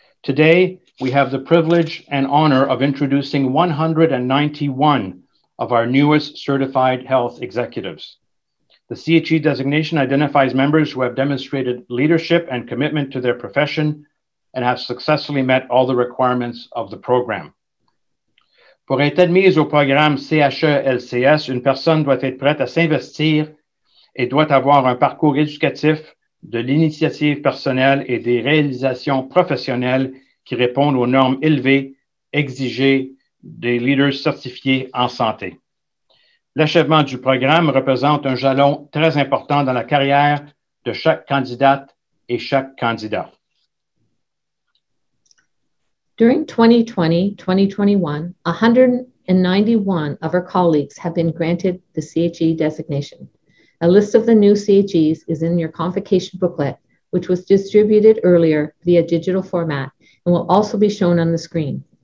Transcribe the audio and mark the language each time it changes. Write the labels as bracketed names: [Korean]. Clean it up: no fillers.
[English] Today, we have the privilege and honor of introducing 191 of our newest certified health executives. The CHE designation identifies members who have demonstrated leadership and commitment to their profession and have successfully met all the requirements of the program. [French] Pour être admise au programme CHE-LCS, une personne doit être prête à s'investir et doit avoir un parcours éducatif, de l'initiative personnelle et des réalisations professionnelles qui répondent aux normes élevées exigées des leaders certifiés en santé. L'achèvement du programme représente un jalon très important dans la carrière de chaque candidate et chaque candidat. [English] During 2020-2021, 191 of our colleagues have been granted the CHE designation. A list of the new CHEs is in your convocation booklet, which was distributed earlier via digital format and will also be shown on the screen.